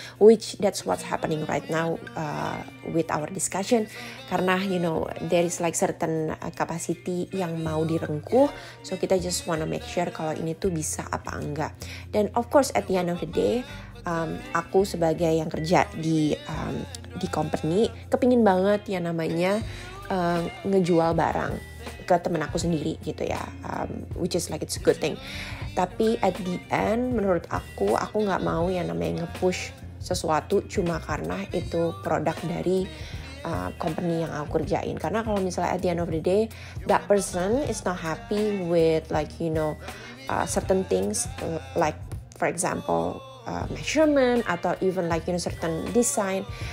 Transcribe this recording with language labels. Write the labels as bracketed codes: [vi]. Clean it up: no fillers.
[en] Which that's what's happening right now with our discussion. Karena you know there is like certain capacity [id] yang mau direngkuh. So kita [en] just wanna make sure [id] kalau ini tuh bisa apa enggak. Dan of course [en] at the end of the day, [id] aku sebagai yang kerja di company, kepingin banget yang namanya ngejual barang ke temen aku sendiri gitu ya, [en] which is like it's a good thing. [id] Tapi [en] at the end [id] menurut aku gak mau yang namanya nge-push sesuatu cuma karena itu produk dari company yang aku kerjain. Karena kalau misalnya [en] at the end of the day that person is not happy with like you know certain things like for example measurement [id] atau [en] even like you know certain design.